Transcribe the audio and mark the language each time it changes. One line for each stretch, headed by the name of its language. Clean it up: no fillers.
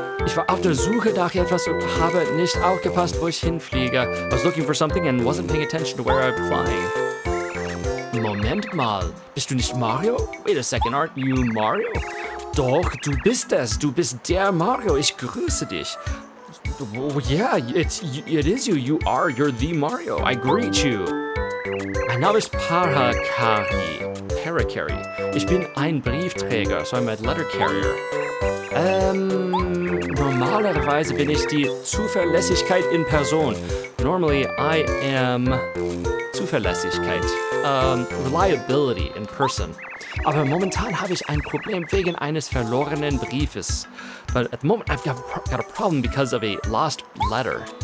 German: Ich war auf der Suche nach etwas und habe nicht aufgepasst, wo ich hinfliege.
English: I was looking for something and wasn't paying attention to where I'm flying.
German: Moment mal, bist du nicht Mario?
English: Wait a second, aren't you Mario?
German: Doch, du bist es. Du bist der Mario. Ich grüße dich.
English: Oh, yeah, it is you. You are. You're the Mario. I greet you.
German: Mein Name ist Paracari. Ich bin ein Briefträger,
English: so I'm a letter carrier.
German: Normalerweise bin ich die Zuverlässigkeit in Person.
English: Normally, I am Zuverlässigkeit. Reliability in person.
German: Aber momentan habe ich ein Problem wegen eines verlorenen Briefes.
English: But at the moment, I've got a problem because of a lost letter.